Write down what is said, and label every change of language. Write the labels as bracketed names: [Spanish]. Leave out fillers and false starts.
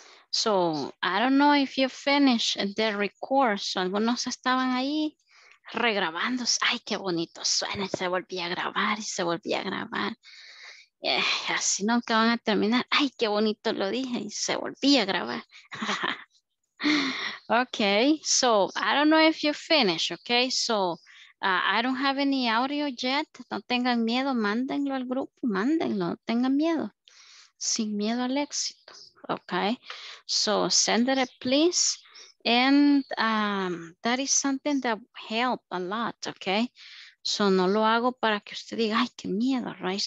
[English] So I don't know if you finished the record. [Spanish] So algunos estaban ahí regrabando. Ay, qué bonito suena. Se volvía a grabar y se volvía a grabar. Así nunca van a terminar. Ay, qué bonito lo dije. Y se volví a grabar. [English] Okay, so I don't know if you finished. Okay, so I don't have any audio yet. [Spanish] No tengan miedo, mándenlo al grupo, mándenlo, no tengan miedo. Sin miedo al éxito. [English] Okay, so send it, please. And that is something that helped a lot. [Spanish] Okay, so no lo hago para que usted diga, ay, qué miedo, right?